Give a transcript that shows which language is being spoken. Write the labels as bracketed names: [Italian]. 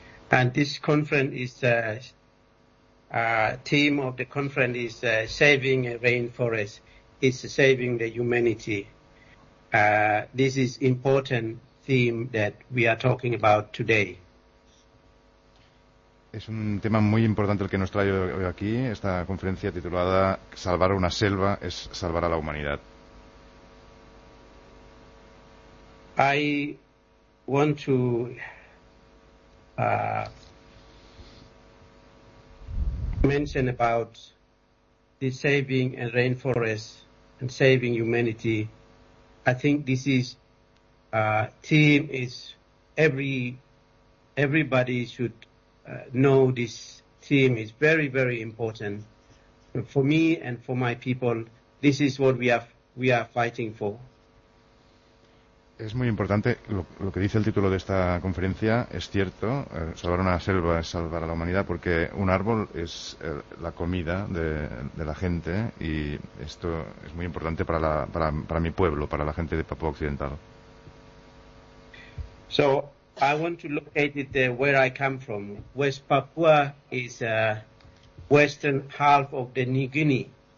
[English] And this conference is theme of the conference is saving a rainforest, is saving the humanity. This is important theme that we are talking about today. [Spanish] Es un tema muy importante el que nos trae hoy aquí, esta conferencia titulada Salvar una selva es salvar a la humanidad. [English] I want to mention about the saving a rainforest and saving humanity. I think this is a theme is everybody should know this theme is very, very important for me and for my people. This is what we are fighting for. [Spanish] Es muy importante lo que dice el título de esta conferencia, es cierto, salvar una selva es salvar a la humanidad, porque un árbol es la comida de la gente, y esto es muy importante para mi pueblo, para la gente de Papúa Occidental. [English] So I want to locate it there where I come from. West Papua is a western half of the New Guinea.